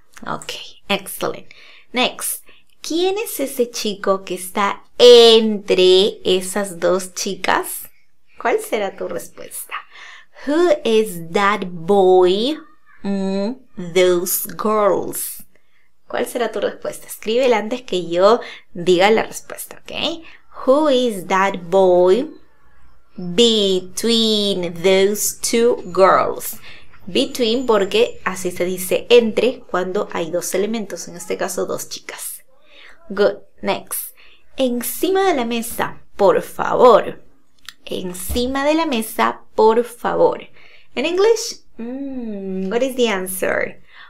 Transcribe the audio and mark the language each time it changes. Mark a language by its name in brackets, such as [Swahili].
[English] Ok, excellent. Next. [Spanish] ¿Quién es ese chico que está entre esas dos chicas? ¿Cuál será tu respuesta? [English] Who is that boy? Those girls. [Spanish] ¿Cuál será tu respuesta? Escríbela antes que yo diga la respuesta, ¿ok? [English] Who is that boy between those two girls? [Spanish] Between, porque así se dice entre cuando hay dos elementos, en este caso dos chicas. [English] Good, next. [Spanish] Encima de la mesa, por favor. Encima de la mesa, por favor. [English] In English, what is the answer?